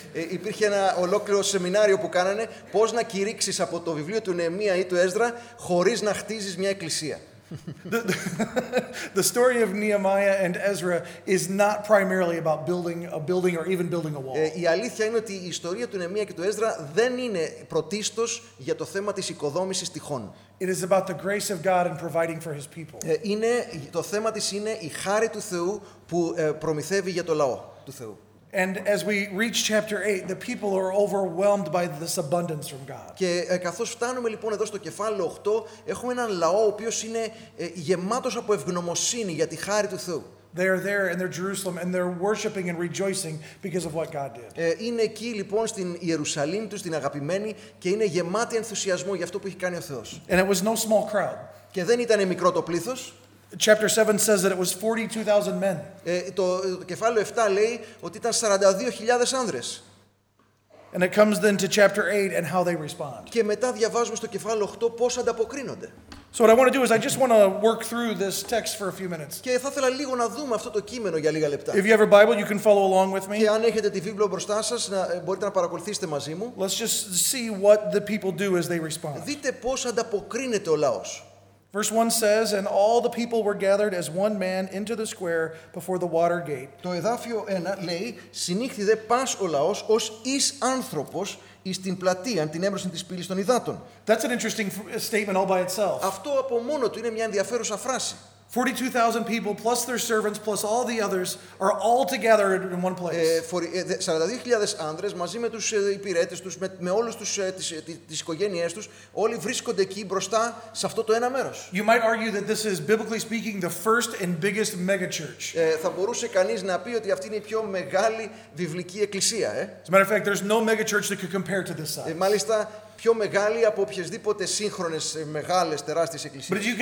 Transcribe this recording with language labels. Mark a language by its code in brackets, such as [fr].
[el] Υπήρχε ένα ολόκληρο σεμινάριο που κάνανε πώς να κηρύξεις από το βιβλίο του Νεεμία ή του Έζρα χωρίς να χτίζεις μια εκκλησία. [en] The story of Nehemiah and Ezra is not primarily about building a building or even building a wall. [el] Η αλήθεια είναι ότι η ιστορία του Νεεμία και του Έζρα δεν είναι πρωτίστως για το θέμα της οικοδόμησης τείχων. [en] It is about the grace of God in providing for His people. [el] Είναι το θέμα της είναι η χάρη του Θεού που προμηθεύει για το λαό του Θεού. [en] And as we reach chapter 8, the people are overwhelmed by this abundance from God. [el] Και καθώς φτάνουμε λοιπόν εδώ στο κεφάλαιο 8, έχουμε έναν λαό ο οποίος είναι γεμάτος από ευγνωμοσύνη για τη χάρη του Θεού. [en] They are there in their Jerusalem and they're worshiping and rejoicing because of what God did. [el] Είναι εκεί λοιπόν στην Ιερουσαλήμ τους, την αγαπημένη, και είναι γεμάτη ενθουσιασμό για αυτό που έχει κάνει ο Θεός. [en] And it was no small crowd. [el] Και δεν ήταν μικρό το πλήθος. [en] Chapter 7 says that it was 42,000 men. [el] Το κεφάλαιο 7 λέει ότι ήταν 42,000 άνδρες. [en] And it comes then to chapter 8 and how they respond. [el] Και μετά διαβάζουμε στο κεφάλαιο 8 πώς ανταποκρίνονται. [en] So what I want to do is I just want to work through this text for a few minutes. [el] Και θα ήθελα λίγο να δούμε αυτό το κείμενο για λίγα λεπτά. [en] If you have a Bible, you can follow along with me. [el] Και αν έχετε τη βίβλο μπροστά σας, μπορείτε να παρακολουθήσετε μαζί μου. [en] Let's just see what the people do as they respond. [el] Δείτε πώς ανταποκρίνεται ο λαός. [en] Verse 1 says, and all the people were gathered as one man into the square before the water gate. [el] Το εδάφιο 1 λέει, συνήχθηδε πας ο λαός ως εις άνθρωπος εις την πλατεία, την έμπροσιν της πύλης των υδάτων. [en] That's an interesting statement all by itself. [el] Αυτό από μόνο του είναι μια ενδιαφέρουσα φράση. [en] 42,000 people plus their servants plus all the others are all together in one place. [el] 42,000 άνδρες μαζί με τους υπηρέτες τους, με όλους τους τις οικογένειές τους, όλοι βρίσκονται εκεί μπροστά σε αυτό το ένα μέρος. [en] You might argue that this is biblically speaking the first and biggest megachurch. [el] Θα μπορούσε κανείς να πει ότι αυτή είναι η πιο μεγάλη βιβλική εκκλησία, [en] As a matter of fact, there's no megachurch that could compare to this size. [el] Μάλιστα. Πιο μεγάλη από οποιασδήποτε σύγχρονες μεγάλες τεράστιες εκκλησίες.